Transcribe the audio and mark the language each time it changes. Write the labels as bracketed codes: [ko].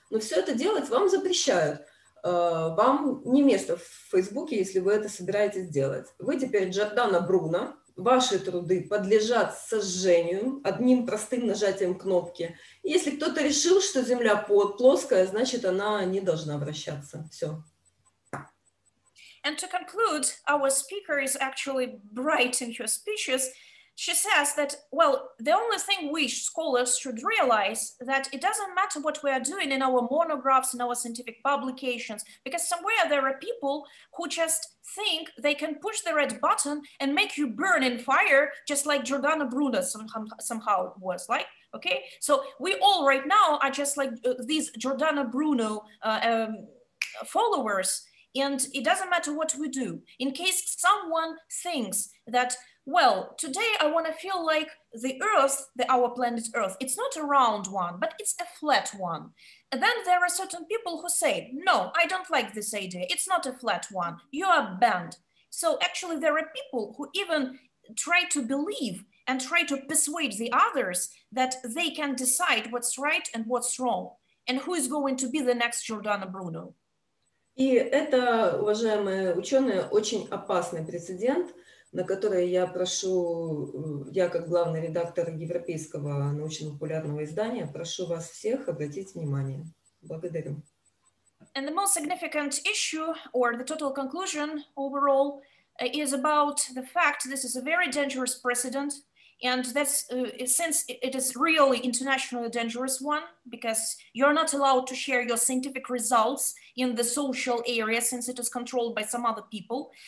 [ru] Но все это делать вам запрещают. Вам не место в Фейсбуке, если вы это собираетесь делать. Вы теперь Джордана Бруно. Ваши труды подлежат сожжению одним простым нажатием кнопки. Если кто-то решил, что Земля плоская, значит, она не должна вращаться. Все. [en] And to conclude, our speaker is actually bright in her speeches. She says that, well, the only thing we scholars should realize that it doesn't matter what we are doing in our monographs, in our scientific publications, because somewhere there are people who just think they can push the red button and make you burn in fire, just like Giordano Bruno somehow was like, okay? So we all right now are just like these Giordano Bruno followers. And it doesn't matter what we do, in case someone thinks that, well, today I want to feel like the Earth, our planet Earth, it's not a round one, but it's a flat one. And then there are certain people who say, no, I don't like this idea. It's not a flat one. You are banned. So actually there are people who even try to believe and try to persuade the others that they can decide what's right and what's wrong and who is going to be the next Giordano Bruno. [ru] И это, уважаемые ученые, очень опасный прецедент, на который я прошу, я как главный редактор европейского научно-популярного издания, прошу вас всех обратить внимание. Благодарю. [en] And the most significant issue, or the total conclusion overall, is about the fact this is a very dangerous precedent, and that's, since it is really internationally dangerous one, because you're not allowed to share your scientific results in the social area, since it is controlled by some other people.